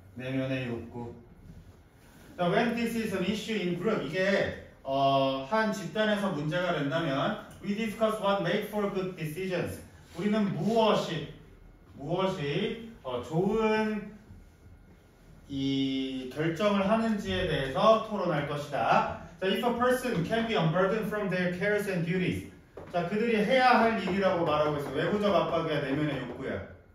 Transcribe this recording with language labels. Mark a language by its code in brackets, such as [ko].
[ko] 내면의 욕구. [en] Now, when this is an issue in group, [ko] 이게 한 집단에서 문제가 된다면 [en] we discuss what make for good decisions. [ko] 우리는 무엇이 좋은 이 결정을 하는지에 대해서 토론할 것이다. [en] So, if a person can be unburdened from their cares and duties. [ko] 자, 그들이 해야 할 일이라고 말하고 있어. 외부적 압박이야, 내면의 욕구야.